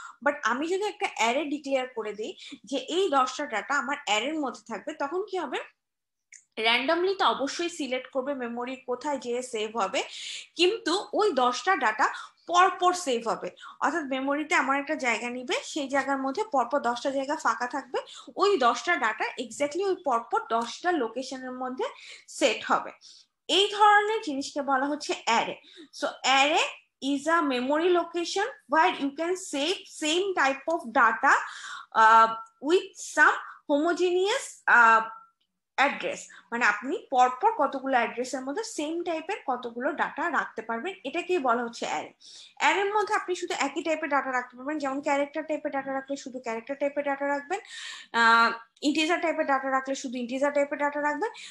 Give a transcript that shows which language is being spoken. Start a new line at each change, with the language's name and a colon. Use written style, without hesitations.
Bangla: But আমি যদি একটা অ্যারে ডিক্লেয়ার করে দিই যে এই 10টা ডাটা আমার অ্যারের মধ্যে থাকবে, তখন কি হবে, র্যান্ডামলি তো অবশ্যই সিলেক্ট করবে মেমোরি কোথায় যেয়ে সেভ হবে, কিন্তু ওই 10টা ডাটা পরপর সেভ হবে, অর্থাৎ মেমোরিতে এমন একটা জায়গা নিবে সেই জায়গার মধ্যে পরপর 10টা জায়গা ফাঁকা থাকবে, ওই 10টা ডাটা এক্স্যাক্টলি ওই পরপর 10টা লোকেশনের মধ্যে সেট হবে, এই ধরনের জিনিসকে বলা হচ্ছে array.
English: So array is a memory location where you can save same type of data with some homogeneous address.
Bangla: মানে আপনি পরপর কতগুলো অ্যাড্রেসের মধ্যে সেম টাইপের কতগুলো ডাটা রাখতে পারবেন, এটাকেই বলা হচ্ছে অ্যারে। অ্যারের মধ্যে আপনি শুধু একই টাইপের ডাটা রাখতে পারবেন, যেমন ক্যারেক্টার টাইপের ডাটা রাখলে শুধু ক্যারেক্টার টাইপের ডাটা রাখবেন, ইন্টিজার টাইপের ডাটা রাখলে শুধু ইন্টিজার টাইপের ডাটা রাখবেন।